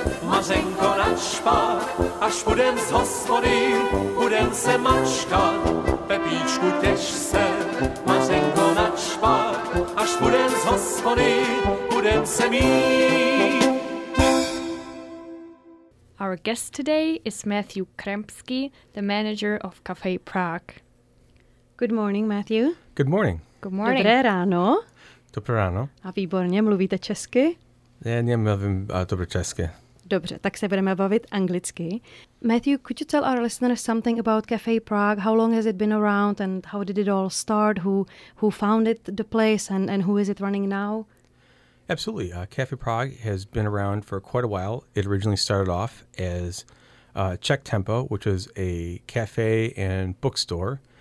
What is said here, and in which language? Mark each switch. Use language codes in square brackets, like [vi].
[cs] Mařenko, na špak, až půjdem z hospody, budem se mačkat. Pepíčku, těž se, Mařenko, na špak, až půjdem z hospody, budem se mít. [en] Our guest today is Matthew Krempsky, the manager of Café Prague. Good morning, Matthew. Good morning. Good morning. [cs] Dobré ráno. Dobré ráno. A výborně, mluvíte česky? Já nemluvím dobře česky. Dobře, tak se budeme bavit anglicky. [en] Matthew, could you tell our listeners something about Café Prague? How long has it been around and how did it all start? Who founded the place and who is it running now? Absolutely. Café Prague has been around for quite a while. It originally started off as Czech Tempo, which was a cafe and bookstore.